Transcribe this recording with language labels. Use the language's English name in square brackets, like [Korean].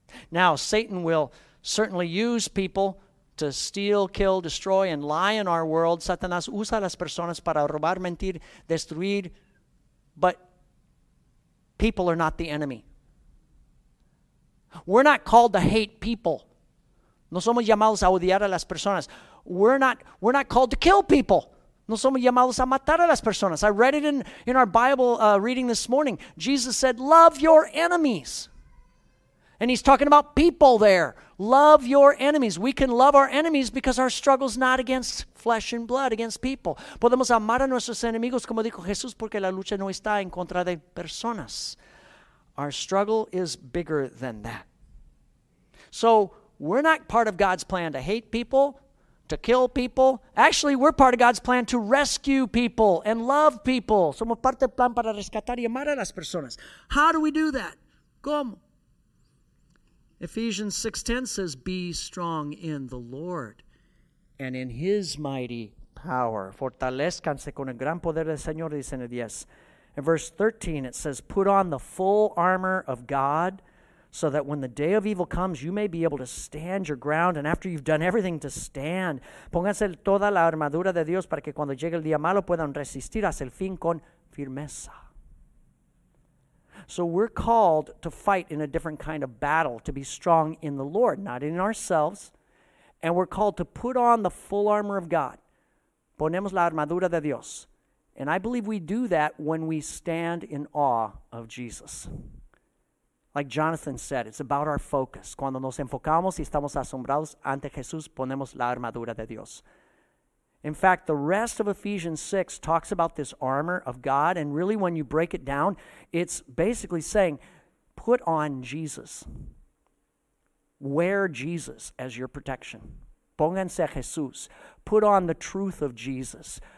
[English] Now, Satan will certainly use people to steal, kill, destroy, and lie in our world. [Spanish] Satanás usa las personas para robar, mentir, destruir. [English] But people are not the enemy. We're not called to hate people. [Spanish] No somos llamados a odiar a las personas. [English] We're not called to kill people. [Spanish] No somos llamados a matar a las personas. [English] I read it in our Bible reading this morning. Jesus said, love your enemies. And he's talking about people there. Love your enemies. We can love our enemies because our struggle's not against flesh and blood, against people. [Spanish] Podemos amar a nuestros enemigos, como dijo Jesús, porque la lucha no está en contra de personas. [English] Our struggle is bigger than that. So we're not part of God's plan to hate people, to kill people. Actually, we're part of God's plan to rescue people and love people. [Spanish] Somos parte del plan para rescatar y amar a las personas. [English] How do we do that? [Spanish] ¿Cómo? [English] Ephesians 6:10 says, be strong in the Lord and in his mighty power. [Spanish] Fortalezcanse con el gran poder del Señor, dice en el 10. [English] In verse 13, it says, put on the full armor of God, so that when the day of evil comes, you may be able to stand your ground, and after you've done everything to stand. [Spanish] Pónganse toda la armadura de Dios para que cuando llegue el día malo puedan resistir hasta el fin con firmeza. [English] So we're called to fight in a different kind of battle, to be strong in the Lord, not in ourselves. And we're called to put on the full armor of God. [Spanish] Ponemos la armadura de Dios. [English] And I believe we do that when we stand in awe of Jesus. Like Jonathan said, it's about our focus. [Spanish] Cuando nos enfocamos y estamos asombrados ante Jesús, ponemos la armadura de Dios. [English] In fact, the rest of Ephesians 6 talks about this armor of God, and really when you break it down, it's basically saying, put on Jesus. Wear Jesus as your protection. [Spanish] Pónganse a Jesús. [English] Put on the truth of Jesus.